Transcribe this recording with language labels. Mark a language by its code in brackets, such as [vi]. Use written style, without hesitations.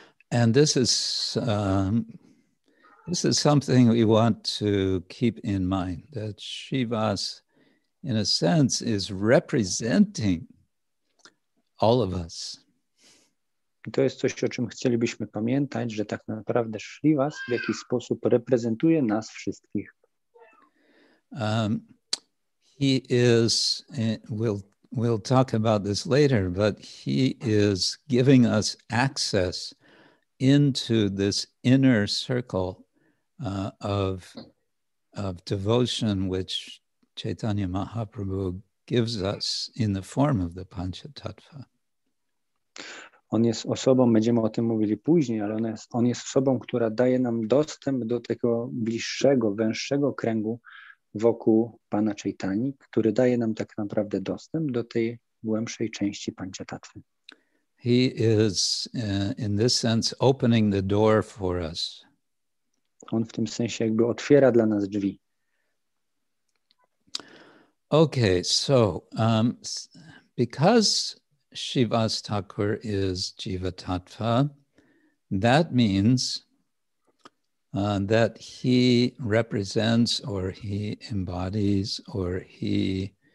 [en] And this is something we want to keep in mind, that Shrivas, in a sense, is representing all of us. [pl] To jest coś, o czym chcielibyśmy pamiętać, że tak naprawdę Shrivas w jakiś sposób reprezentuje nas wszystkich. [en] He is, we'll talk about this later, but he is giving us access into this inner circle of devotion which Chaitanya Mahaprabhu gives us in the form of the Panchatattva. [pl] On jest osobą, będziemy o tym mówili później, ale on jest osobą, która daje nam dostęp do tego bliższego, węższego kręgu wokół pana Chaitani, który daje nam tak naprawdę dostęp do tej głębszej części Panchatattwy. [en] He is in this sense opening the door for us. [pl] On w tym sensie jakby otwiera dla nas drzwi. [en] Okay, so because Shivas Thakur is Jiva Tattva, that means that he represents, or he embodies, or he